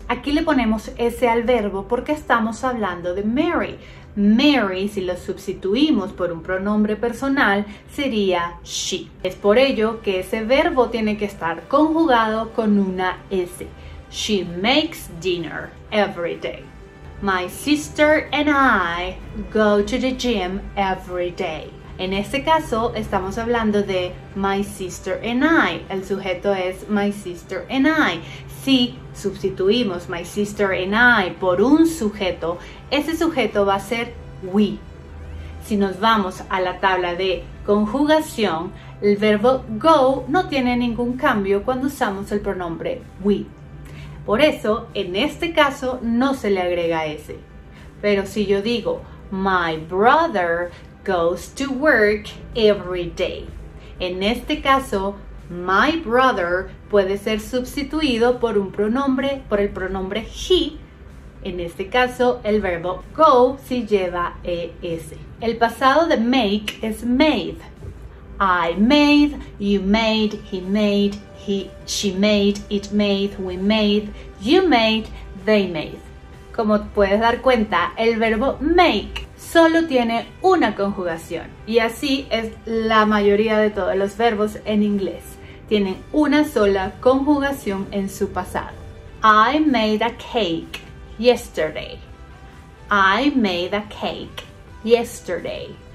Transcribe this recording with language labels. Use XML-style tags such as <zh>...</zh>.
<es>Aquí le ponemos s al verbo porque estamos hablando de Mary. Mary, si lo sustituimos por un pronombre personal, sería she. Es por ello que ese verbo tiene que estar conjugado con una s.</es> <en>She makes dinner every day. My sister and I go to the gym every day.</en> <es>En este caso, estamos hablando de</es> <en>my sister and I.</en> <es>El sujeto es</es> <en>my sister and I.</en> <es>Si sustituimos my sister and I por un sujeto, ese sujeto va a ser we. Si nos vamos a la tabla de conjugación, el verbo go no tiene ningún cambio cuando usamos el pronombre we. Por eso, en este caso, no se le agrega ese. Pero si yo digo</es> <en>my brother goes to work every day.</en> <es>En este caso, my brother puede ser sustituido por un pronombre, por el pronombre he. En este caso, el verbo go si lleva es. El pasado de make es made.</es> <en>I made, you made, he made, he, she made, it made, we made, you made, they made.</en> <es>Como puedes dar cuenta, el verbo make solo tiene una conjugación. Y así es la mayoría de todos los verbos en inglés. Tienen una sola conjugación en su pasado.</es> <en>I made a cake yesterday. I made a cake yesterday.</en>